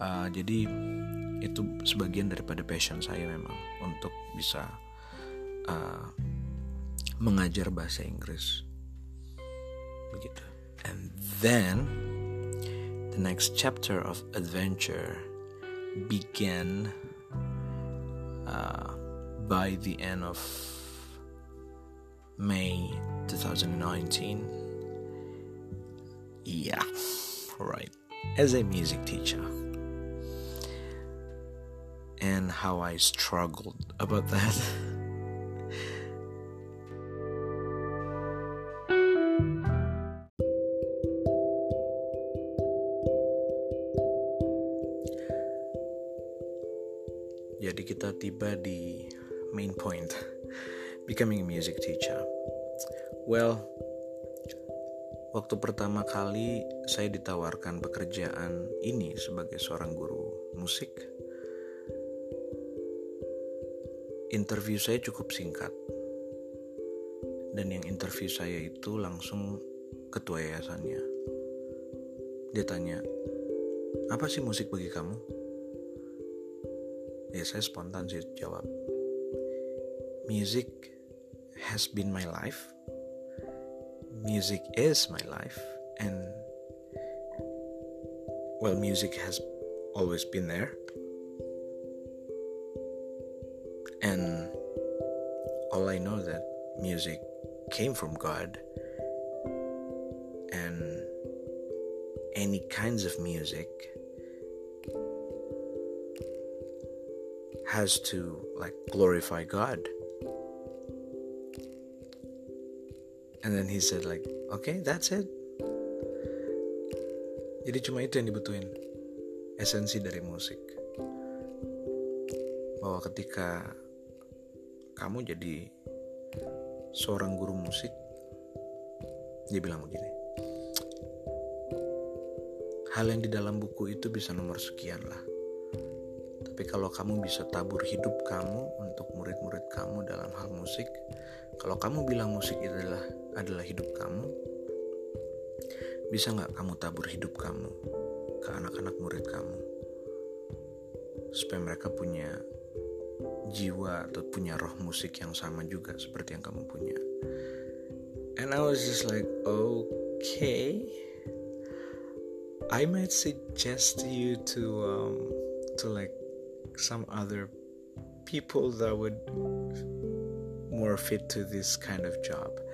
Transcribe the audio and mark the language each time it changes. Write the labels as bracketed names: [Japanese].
[Indonesian] Jadi itu sebagian daripada passion saya memang untuk bisa mengajar bahasa Inggris begitu. [English] And then the next chapter of adventure began by the end of May 2019. Yeah, right. As a music teacher. And how I struggled about that. [Indonesian] Jadi kita tiba di [English] main point, becoming a music teacher. [Indonesian] Well, waktu pertama kali saya ditawarkan pekerjaan ini sebagai seorang guru musik, interview saya cukup singkat. Dan yang interview saya itu langsung ketua yayasannya. Dia tanya, apa sih musik bagi kamu? Ya, saya spontan sih jawab, [English] music has been my life, music is my life, and well, music has always been there, and all I know that music came from God, and any kinds of music has to like glorify God. And then he said like, okay, that's it. [Indonesian] Jadi cuma itu yang dibutuhin, esensi dari musik. Bahwa ketika kamu jadi seorang guru musik, dia bilang begini, hal yang di dalam buku itu bisa nomor sekian lah, tapi kalau kamu bisa tabur hidup kamu untuk murid-murid kamu dalam hal musik, kalau kamu bilang musik adalah hidup kamu, bisa gak kamu tabur hidup kamu ke anak-anak murid kamu supaya mereka punya jiwa atau punya roh musik yang sama juga seperti yang kamu punya? [English] And I was just like, okay, I might suggest you to like some other people that would more fit to this kind of job.